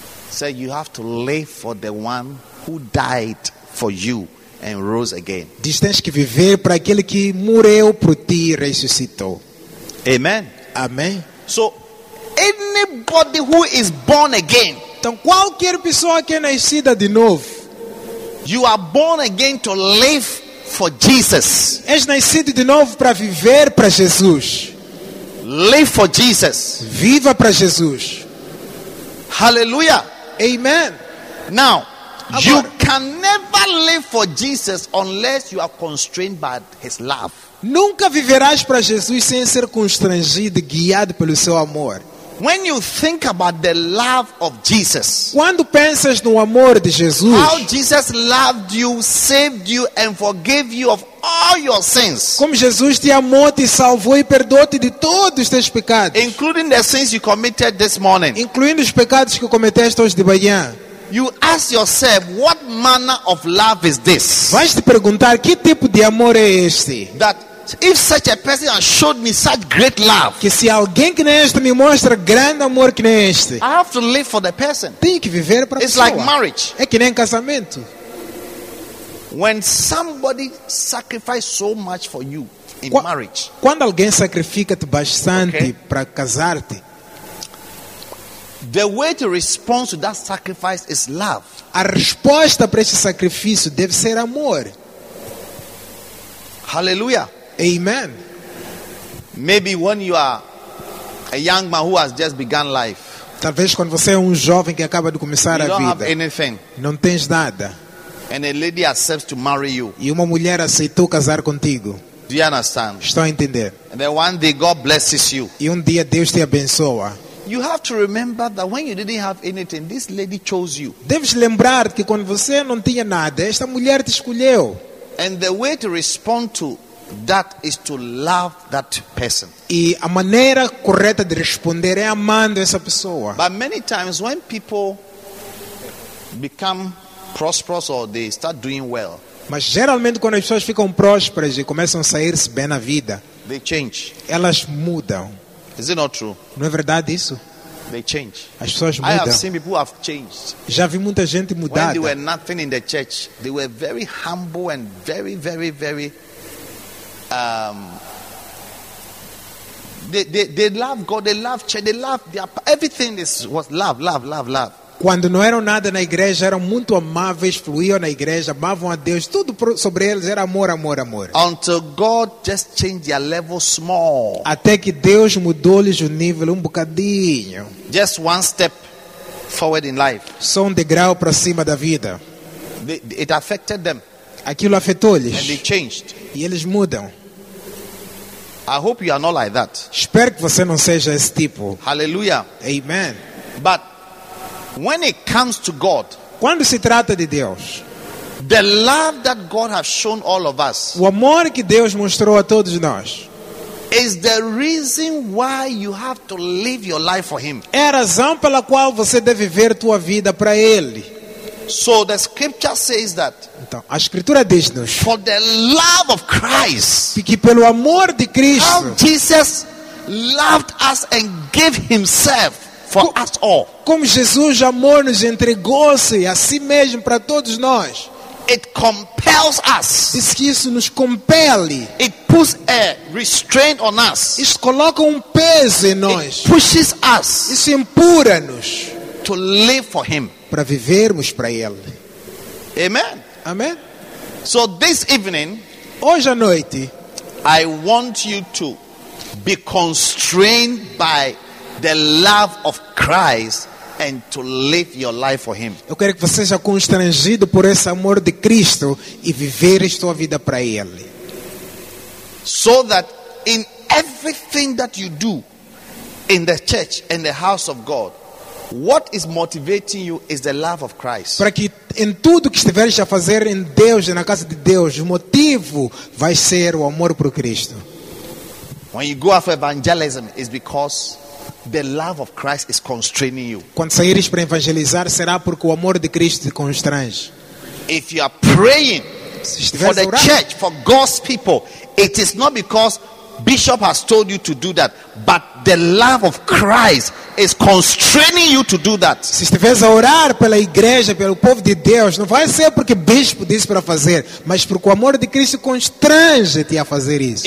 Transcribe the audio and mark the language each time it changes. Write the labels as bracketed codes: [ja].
[en] Say so you have to live for the one who died for you and rose again. [pt] Diz tens que viver para aquele que morreu por ti e ressuscitou. [en] Amen. [pt] Amém. [en] So anybody who is born again. [pt] Então qualquer pessoa que é nascida de novo. [en] You are born again to live for Jesus. [pt] És nascido de novo para viver para Jesus. [en] Live for Jesus. [pt] Viva para Jesus. [en] Hallelujah. Amen. Now, [pt] agora, [en] you can never live for Jesus unless you are constrained by his love. [pt] Nunca viverás para Jesus sem ser constrangido, guiado pelo seu amor. [en] When you think about the love of Jesus, [pt] quando pensas no amor de Jesus, [en] how Jesus loved you, saved you, and forgave you of all your sins. [pt] Como Jesus te amou, te salvou e perdoou-te de todos os teus pecados, [en] including the sins you committed this morning. [pt] Incluindo os pecados que cometeste hoje de manhã. [en] You ask yourself, what manner of love is this? [pt] Vais te perguntar que tipo de amor é este? [en] That if such a person has showed me such great love, [pt] que se alguém que nem este me mostra grande amor que nem este, [en] I have to live for the person. [pt] Tenho que viver para a pessoa. [en] It's like marriage. [pt] É que nem casamento. [en] When somebody sacrifices so much for you in marriage, [pt] quando alguém sacrifica-te bastante para casar-te, [en] the way to respond to that sacrifice is love. [pt] A resposta para esse sacrifício deve ser amor. [en] Hallelujah. Amen. Maybe when you are a young man who has just begun life. [pt] Talvez quando você é jovem que acaba de começar a vida. [en] You don't have anything. [pt] Não tens nada. [en] And a lady accepts to marry you. [pt] E uma mulher aceitou casar contigo. [en] Do you understand? [pt] Estou a entender. [en] And then one day God blesses you. [pt] E dia Deus te abençoa. [en] You have to remember that when you didn't have anything, this lady chose you. [pt] Deves lembrar que quando você não tinha nada, esta mulher te escolheu. [en] And the way to respond to that is to love that person. [pt] E a maneira correta de responder é amando essa pessoa. [en] But many times when people become prosperous or they start doing well, [pt] mas geralmente quando as pessoas ficam prósperas e começam a sair-se bem na vida, [en] they change. [pt] Elas mudam. [en] Is it not true? [pt] Não é verdade isso? [en] They change. [pt] As pessoas mudam. [en] I have seen people have changed. [pt] Já vi muita gente mudada. [en] When they were nothing in the church, they were very humble and very, very, very. They love God. They love church. They love their, everything. This was love, love, love, love. [pt] Quando não eram nada na igreja, eram muito amáveis, fluíam na igreja, amavam a Deus. Tudo sobre eles era amor, amor, amor. [en] Until God just changed their level small. [pt] Até que Deus mudou-lhes o nível bocadinho. [en] Just one step forward in life. [pt] Só degrau para cima da vida. [en] It affected them. [pt] Aquilo afetou-lhes. [en] And they changed. [pt] E eles mudam. [en] I hope you are not like that. [pt] Espero que você não seja esse tipo. [en] Hallelujah. Amen. But when it comes to God, [pt] quando se trata de Deus, [en] the love that God has shown all of us, [pt] o amor que Deus mostrou a todos nós, [en] is the reason why you have to live your life for Him. [pt] É a razão pela qual você deve viver tua vida para Ele. [en] So the scripture says that. [pt] Então, a escritura diz-nos. [en] For the love of Christ. [pt] Que pelo amor de Cristo. [en] How Jesus loved us and gave Himself for us all. [pt] Como Jesus amou-nos e entregou-se a si mesmo para todos nós. [en] It compels us. [pt] Diz que isso nos compele. [en] It puts a restraint on us. [pt] Isso coloca peso em nós. [en] It pushes us. [pt] Isso empurra-nos. [en] To live for Him. [pt] Para vivermos para Ele. [en] Amen. Amen. So this evening, [pt] hoje à noite, [en] I want you to be constrained by the love of Christ and to live your life for Him. [pt] Eu quero que você seja constrangido por esse amor de Cristo e viver a sua vida para Ele. [en] So that in everything that you do in the church and the house of God, what is motivating you is the love of Christ. [pt] Para que em tudo que estiveres a fazer em Deus e na casa de Deus, o motivo vai ser o amor por Cristo. [en] When you go out for evangelism, it's because the love of Christ is constraining you. [pt] Quando saíres para evangelizar, será porque o amor de Cristo te constrange. [en] If you are praying for the church, for God's people, it is not because Bishop has told you to do that, but the love of Christ is constraining you to do that. [pt] Se estiveres a orar pela igreja, pelo povo de Deus, não vai ser porque bispo disse para fazer, mas porque o amor de Cristo constrange-te a fazer isso.